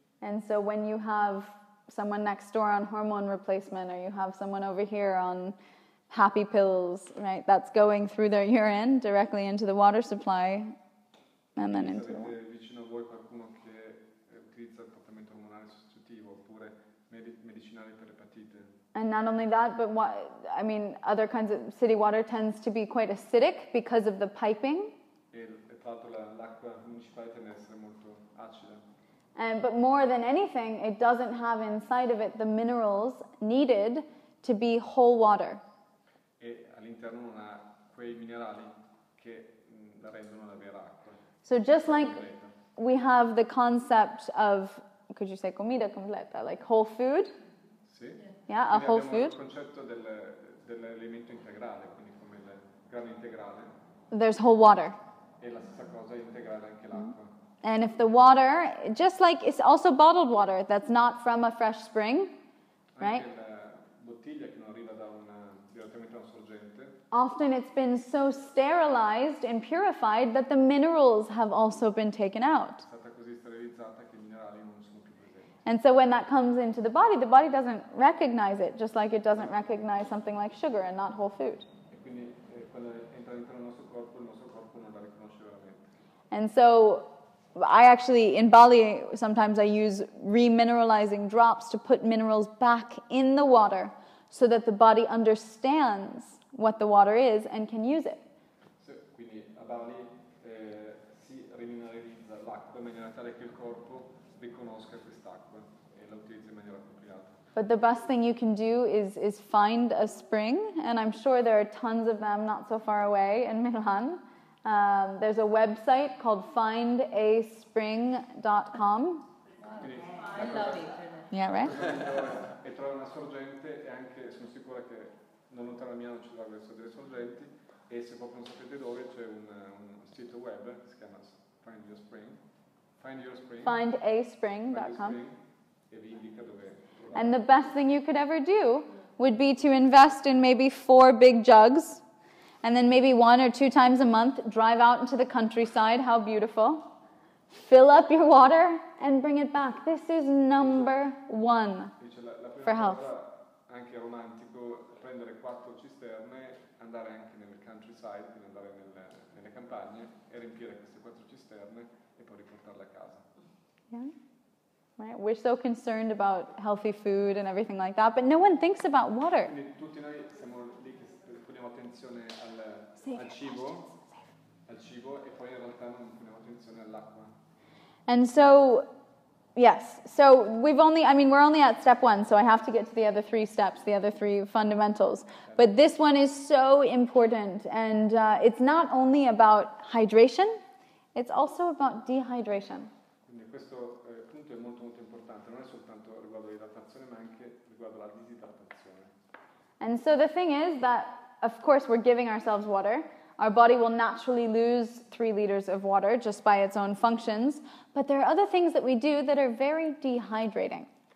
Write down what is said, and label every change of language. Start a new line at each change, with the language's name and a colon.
English: And so when you have someone next door on hormone replacement, or you have someone over here on happy pills, right? That's going through their urine directly into the water supply and then into the water.
Italian: Vicino a voi qualcuno che utilizza il trattamento ormonale sostitutivo oppure medicinali per epatite.
English: And not only that, but what I mean, other kinds of city water tends to be quite acidic because of the piping.
Italian: E municipalità deve essere molto acida.
English: But more than anything, it doesn't have inside of it the minerals needed to be whole water.
Italian: E all'interno non ha quei minerali che la rendono la vera acqua.
English: So just like we have the concept of, could you say
Spanish: comida completa,
English: like whole food?
Italian: Sì.
English: Yeah,
Italian: quindi
English: a whole food.
Italian: Il concetto dell'elemento integrale, quindi come il grano integrale.
English: There's whole water.
Italian: E la stessa cosa integrale anche l'acqua. Mm-hmm.
English: And if the water, just like it's also bottled water that's not from a fresh spring, right?
Italian: Anche la bottiglia che non arriva da una, direttamente da una sorgente.
English: Often it's been so sterilized and purified that the minerals have also been taken out.
Italian: È stata così sterilizzata che I minerali non sono più presenti.
English: And so when that comes into the body doesn't recognize it, just like it doesn't recognize something like sugar and not whole food.
Italian: E quindi quando entra dentro il nostro corpo non la riconosce veramente.
English: And so I actually, in Bali, sometimes I use remineralizing drops to put minerals back in the water so that the body understands what the water is and can use it.
Italian: So, quindi a Bali si rimineralizza l'acqua in maniera tale che il corpo riconosca quest'acqua e la utilizzi in maniera appropriata.
English: But the best thing you can do is find a spring, and I'm sure there are tons of them not so far away in Milan. There's a website called findaspring.com. Yeah, right?
Italian: E trova una sorgente e anche sono sicura che non lontano da Milano ci sono delle sorgenti e se proprio non sapete dove c'è un sito web che si chiama Find Your Spring. Find Your Spring.
English: Findaspring.com.
Italian: E vi indica dove.
English: And the best thing you could ever do would be to invest in maybe 4 big jugs. And then maybe 1 or 2 times a month, drive out into the countryside, how beautiful, fill up your water and bring it back. This is number one for health.
Italian: Anche romantico, prendere 4 cisterne, andare anche nel countryside, quindi andare nelle campagne, e riempire queste 4 cisterne e poi riportarle a casa.
English: Right. We're so concerned about healthy food and everything like that, but no one thinks about water.
Italian: Tutti noi siamo lì che poniamo attenzione al cibo e poi in realtà non poniamo attenzione all'acqua.
English: And so, yes. So we're only at step one, so I have to get to the other 3 steps, the other 3 fundamentals. But this one is so important, and it's not only about hydration, it's also about dehydration.
Italian: Quindi questo punto è molto molto importante, non è soltanto riguardo l'idratazione, ma anche riguardo la disidratazione.
English: And so the thing is that, of course, we're giving ourselves water. Our body will naturally lose 3 liters of water just by its own functions. But there are other things that we do that are very dehydrating.